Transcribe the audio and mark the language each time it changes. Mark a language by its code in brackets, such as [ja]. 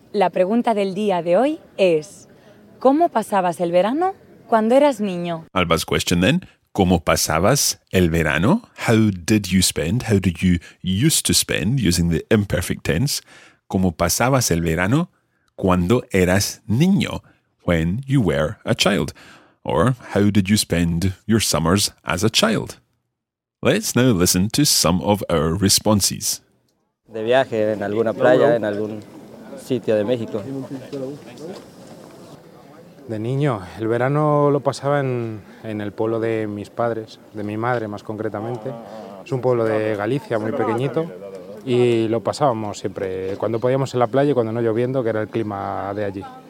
[es] La pregunta del día de hoy es ¿Cómo pasabas el verano cuando eras niño? [en] Alba's question then, [es] ¿Cómo pasabas el verano? [en] How did you spend? How did you used to spend, using the imperfect tense? [es] ¿Cómo pasabas el verano cuando eras niño? [en] When you were a child. Or how did you spend your summers as a child? Let's now listen to some of our responses. [es] De viaje en alguna playa, en algún sitio de México. De niño, el verano lo pasaba en el pueblo de mis padres, de mi madre más concretamente. Es un pueblo de Galicia, muy pequeñito, y lo pasábamos siempre, cuando podíamos en la playa y cuando no lloviendo, que era el clima de allí.